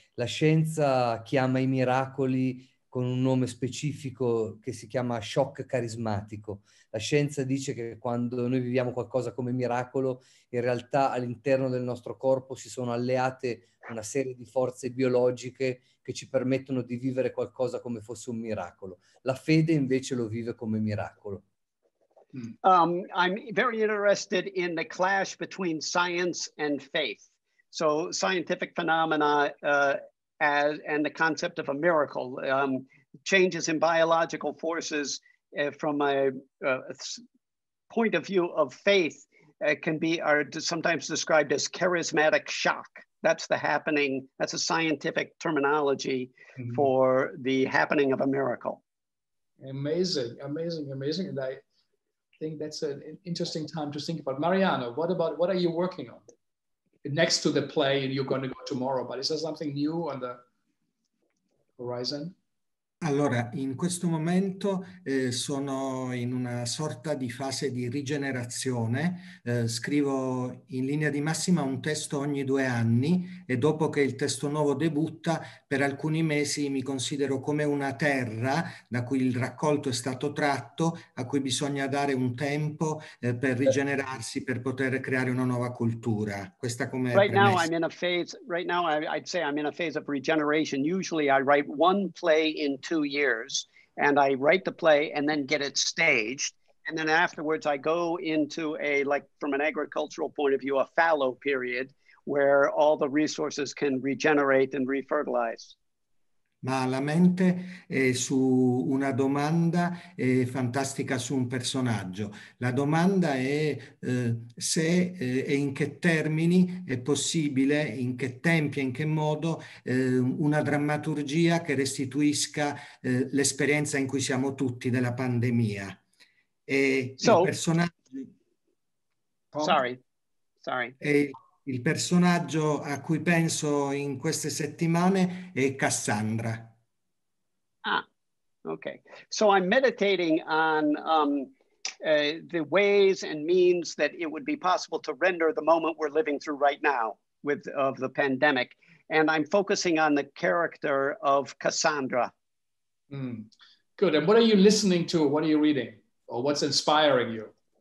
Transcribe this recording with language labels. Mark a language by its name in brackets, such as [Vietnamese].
[Italian] La scienza chiama i miracoli con un nome specifico che si chiama shock carismatico. La scienza dice che quando noi viviamo qualcosa come miracolo, in realtà all'interno del nostro corpo si sono alleate una serie di forze biologiche che ci permettono di vivere qualcosa come fosse un miracolo. La fede invece lo vive come miracolo. [English] I'm very interested in the clash between science and faith. So scientific phenomena and the concept of a miracle, changes in biological forces from a point of view of faith are sometimes described as charismatic shock. That's the happening, that's a scientific terminology mm-hmm. for the happening of a miracle. Amazing, amazing, amazing. And I think that's an interesting time to think about. Mariano, what are you working on? Next to the play, and you're going to go tomorrow, but is there something new on the horizon? [Italian] Allora, in questo momento sono in una sorta di fase di rigenerazione. Scrivo in linea di massima un testo ogni 2 anni e dopo che il testo nuovo debutta, per alcuni mesi mi considero come una terra da cui il raccolto è stato tratto, a cui bisogna dare un tempo per rigenerarsi, per poter creare una nuova cultura. Questa come [English] right [Italian] premessa. [English] Now I'm in a phase, right now I'd say I'm in a phase of regeneration. Usually I write one play in 2 years and I write the play and then get it staged. And then afterwards I go into a, like from an agricultural point of view, a fallow period where all the resources can regenerate and refertilize. [Italian] Ma la mente è su una domanda è fantastica su un personaggio. La domanda è se e in che termini è possibile, in che tempi e in che modo, una drammaturgia che restituisca l'esperienza in cui siamo tutti della pandemia. E [English] so, [Italian] il personaggio... [English] Sorry. [Italian] Il personaggio a cui penso in queste settimane è Cassandra. [English] Ah, okay. So I'm meditating on the ways and means that it would be possible to render the moment we're living through right now of the pandemic. And I'm focusing on the character of Cassandra. Mm. Good. And what are you listening to? What are you reading? Or what's inspiring you?